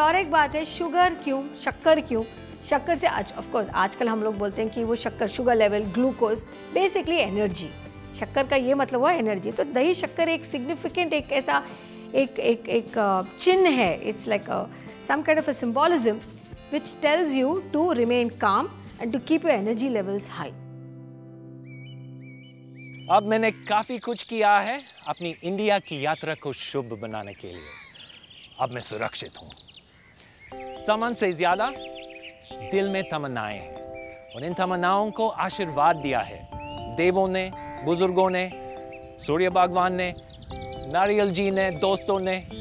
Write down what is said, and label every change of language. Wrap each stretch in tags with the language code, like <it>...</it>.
<hi>और एक बात है, शुगर क्यों, शक्कर क्यों? शक्कर से ऑफ कोर्स आजकल हम लोग बोलते हैं कि वो शक्कर, sugar level, glucose, basically energy. शक्कर का ये मतलब हुआ एनर्जी। तो दही शक्कर एक सिग्निफिकेंट, एक ऐसा एक चिन्ह है,</hi> <en>It's like some kind of a symbolism which tells you to remain calm and to keep your energy levels high.</en> <hi>अब मैंने काफी कुछ किया है अपनी इंडिया की यात्रा को शुभ बनाने के लिए. अब मैं सुरक्षित हूं. सामान से ज्यादा दिल में तमन्नाएं हैं और इन तमन्नाओं को आशीर्वाद दिया है देवों ने, बुजुर्गों ने, सूर्य भगवान ने, नारियल जी ने, दोस्तों ने.</hi>